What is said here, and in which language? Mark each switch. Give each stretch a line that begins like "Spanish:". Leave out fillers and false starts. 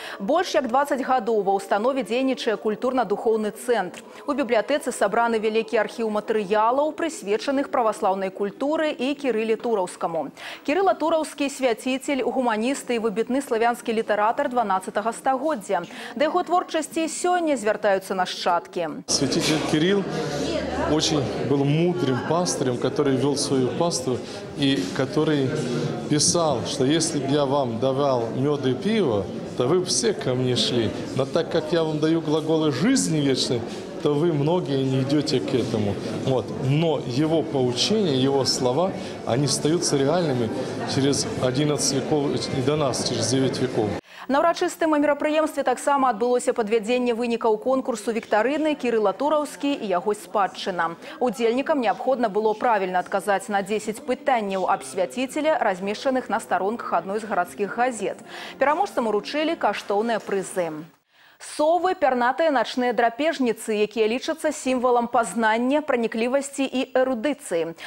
Belarusian: Больш як 20 гадоў ва ўстанове дзейнічае культурна-духоўны цэнтр. У бібліятэцы сабраны вялікі архіў матэрыялаў, прысвечаных праваслаўнай культуры і Кірылі Тураўскаму. Кірыла Тураўскі свяціцель, гуманіст і выбітны славянскі літаратар 12-га стагоддзя. Да яго творчасці сёння звяртаюцца нашчадкі.
Russian: Святитель Кирилл очень был мудрым пастырем, который вёл сваю пасту і который писал, что если б я вам давал мёд і піва, то вы б все ко мне шли. Но так как я вам даю глаголы жизни вечной, то вы многие не идете к этому. Вот. Но его поучения, его слова, они остаются реальными через 11 веков и до нас, через 9 веков.
Belarusian: На ўрачыстым мерапрыемстве таксама адбылося падвядзенне вынікаў конкурсу віктарыны Кірыла Тураўскі і яго спадчына. Удзельнікам неабходна было правільна адказаць на 10 пытанняў аб свяціцеля, размешчаных на старонках адной з гарадскіх газет. Пераможцам уручылі каштоўныя прызы. Совы – пернатыя начныя драпежніцы, якія лічацца сімвалам пазнання, праніклівасці і эрудыцыі.